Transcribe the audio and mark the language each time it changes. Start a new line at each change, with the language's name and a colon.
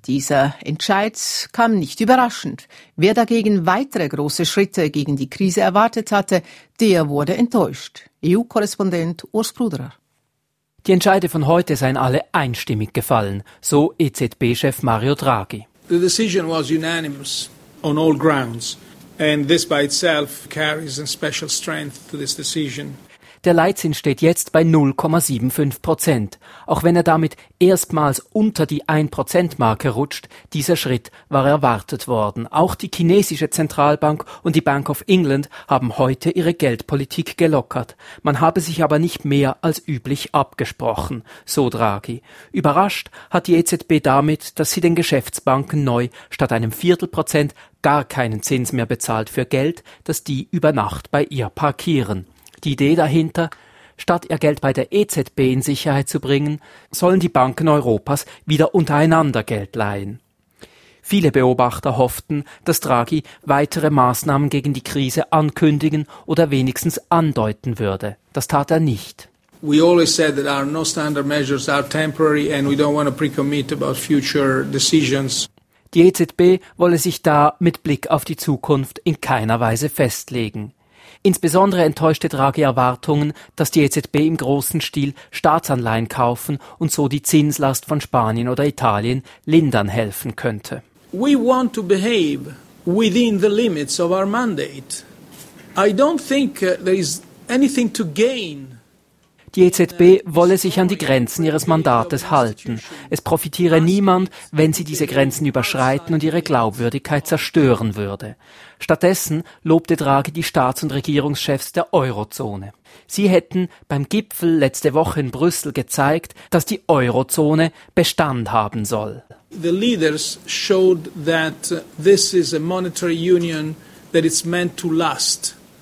German: Dieser Entscheid kam nicht überraschend. Wer dagegen weitere große Schritte gegen die Krise erwartet hatte, der wurde enttäuscht. EU-Korrespondent Urs Bruderer. Die Entscheide von heute seien alle einstimmig gefallen, so EZB-Chef Mario Draghi.
English: The decision was unanimous on all grounds, and this by itself carries a special strength to this decision.
German: Der Leitzins steht jetzt bei 0,75%. Auch wenn er damit erstmals unter die 1%-Marke rutscht, dieser Schritt war erwartet worden. Auch die chinesische Zentralbank und die Bank of England haben heute ihre Geldpolitik gelockert. Man habe sich aber nicht mehr als üblich abgesprochen, so Draghi. Überrascht hat die EZB damit, dass sie den Geschäftsbanken neu statt 0,25% gar keinen Zins mehr bezahlt für Geld, das die über Nacht bei ihr parkieren. Die Idee dahinter, statt ihr Geld bei der EZB in Sicherheit zu bringen, sollen die Banken Europas wieder untereinander Geld leihen. Viele Beobachter hofften, dass Draghi weitere Maßnahmen gegen die Krise ankündigen oder wenigstens andeuten würde. Das tat er nicht.
English: We always said that our no standard measures are temporary and we don't want to pre-commit about future decisions.
German: Die EZB wolle sich da mit Blick auf die Zukunft in keiner Weise festlegen. Insbesondere enttäuschte Draghi Erwartungen, dass die EZB im großen Stil Staatsanleihen kaufen und so die Zinslast von Spanien oder Italien lindern helfen könnte.
English: We want to behave within the limits of our mandate. I don't think there is anything to gain.
German: Die EZB wolle sich an die Grenzen ihres Mandates halten. Es profitiere niemand, wenn sie diese Grenzen überschreiten und ihre Glaubwürdigkeit zerstören würde. Stattdessen lobte Draghi die Staats- und Regierungschefs der Eurozone. Sie hätten beim Gipfel letzte Woche in Brüssel gezeigt, dass die Eurozone Bestand haben soll.
English: The leaders showed that this is a monetary union that it's meant to last.